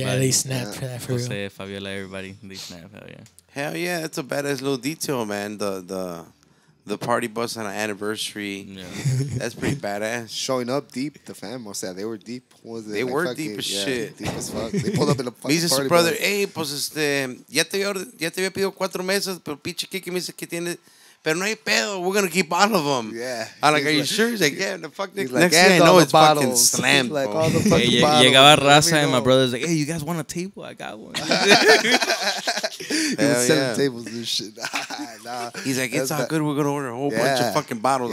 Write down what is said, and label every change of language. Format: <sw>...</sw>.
<en>Yeah, they snapped for that for Jose, real. Fabiola, everybody. They snapped. Hell yeah. Hell yeah. That's a badass little detail, man. The party bus on an anniversary. Yeah. That's pretty badass. Showing up deep. The fam. Yeah, they were deep. Was they were fucking, deep as yeah, shit. Deep as fuck. They pulled up in a fucking party bus.</en> <es>Me dice su brother, hey, pues este, ya te había pedido cuatro mesas, pero pinche Kiki me dice que tiene... Pero no hay pedo.</es> <en>We're going to keep all of them. Yeah. I'm like, are you sure? He's like, yeah. The fuck next like, thing I know, it's bottles. Fucking slammed. He's like, all the fucking yeah, bottles.</en> <es>Llegaba raza</es> <en>and my brother's like, hey, you guys want a table? I got one. He was selling tables and shit. Nah. He's like, it's all good. We're going to order a whole bunch of fucking bottles.</en>